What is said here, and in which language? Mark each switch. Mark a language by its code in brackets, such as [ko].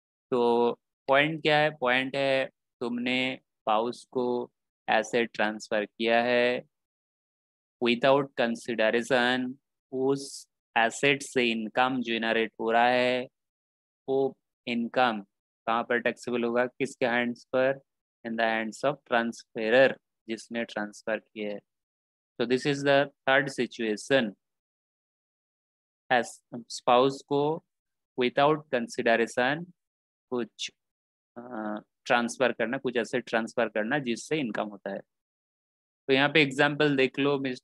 [hi] तो point क्या है? Point है तुमने spouse को asset transfer किया है without consideration, उस asset से income generate हो रहा है, वो income कहाँ पर taxable होगा? किसके hands पर? [en] In the hands of transferer, [hi] जिसने transfer किया है. [en] So this is the third situation. [hi] As spouse को without consideration कुछ transfer करना, कुछ asset transfer करना जिससे income होता है. तो यहाँ पे example देख लो.